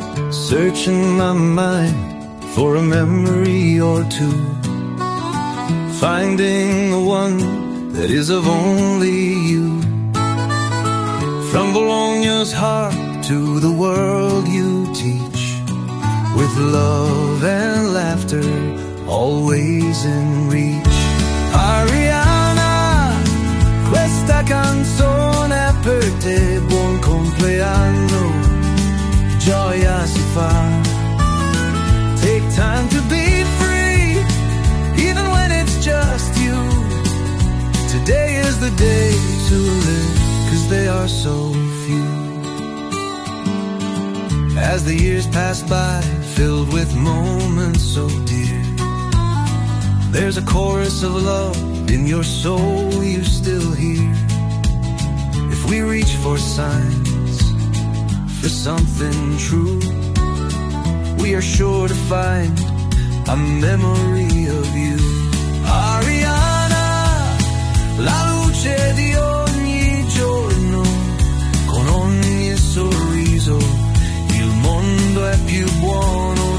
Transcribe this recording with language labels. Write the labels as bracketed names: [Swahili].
[English] searching my mind for a memory or two, finding the one that is of only you. From Bologna's heart to the world you teach, with love and laughter always in reach. [Italian] Arianna, questa canzone per te, buon compleanno, gioia si fa. [English] Take time to be free, even when it's just you. Today is the day to live, 'cause they are so few. As the years pass by, filled with moments so dear, there's a chorus of love in your soul you still hear. If we reach for signs, for something true, we are sure to find a memory of you. [Italian] Arianna, la luce di ogni giorno, con ogni sorriso il mondo è più buono.